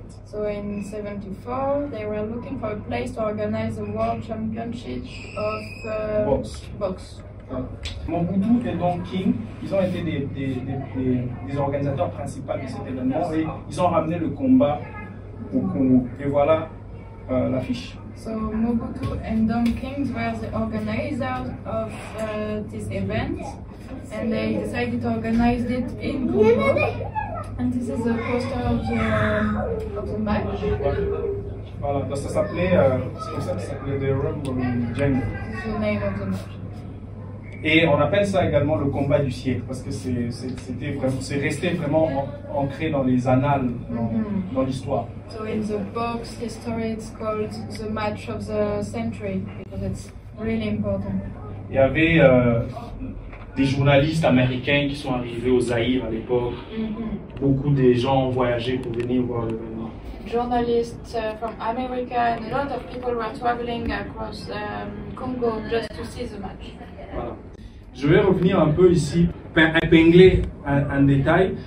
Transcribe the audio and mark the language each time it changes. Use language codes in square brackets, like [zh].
[en] So in 74, they were looking for a place to organize a world championship of box. [fr] Mobutu et Donkin King, ils ont été des organisateurs principaux de cet événement et ils ont ramené le combat au Congo. Et voilà l'affiche. [en] So Mobutu and Donkin King were the organizers of this event and they decided to organize it in Congo. And this is the poster of the match. [fr] Voilà, donc ça s'appelait, c'est pour ça que ça s'appelait The Rumble in Jungle. [en] This is the name of the match. [fr] Et on appelle ça également le combat du siècle, parce que c'est resté vraiment ancré dans les annales, dans l'histoire. [en] So in the box history, it's called the match of the century, because it's really important. [fr] Il y avait des journalistes américains qui sont arrivés au Zaïre à l'époque. Mm-hmm. Beaucoup de gens ont voyagé pour venir voir l'événement. [en] Journalists from America and a lot of people were traveling across Congo just to see the match. [fr] Voilà. Je vais revenir un peu ici, épingler un détail.